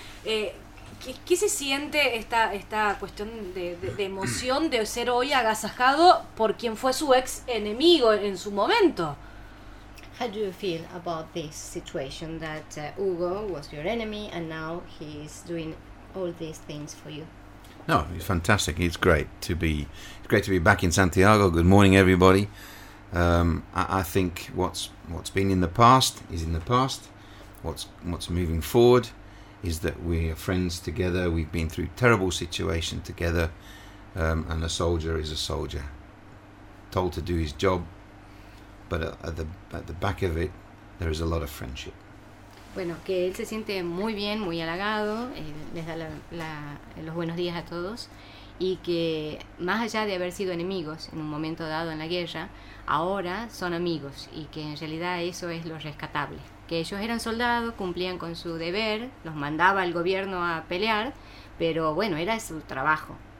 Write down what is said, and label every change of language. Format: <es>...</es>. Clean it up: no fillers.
<es>¿Qué se siente esta cuestión de emoción de ser hoy agasajado por quien fue su ex enemigo en su momento?</es> <en>How do you feel about this situation that Hugo was your enemy and now he is doing all these things for you? No, it's fantastic. It's great to be back in Santiago. Good morning, everybody. I think what's been in the past is in the past. What's moving forward is that we are friends together. We've been through terrible situations together, and a soldier is a soldier, told to do his job. But at the back of it, there is a lot of friendship.</en> <es>Bueno, que él se siente muy bien, muy halagado, les da los buenos días a todos, y que más allá de haber sido enemigos en un momento dado en la guerra, ahora son amigos, y que en realidad eso es lo rescatable. Que ellos eran soldados, cumplían con su deber, los mandaba el gobierno a pelear, pero bueno, era su trabajo.</es>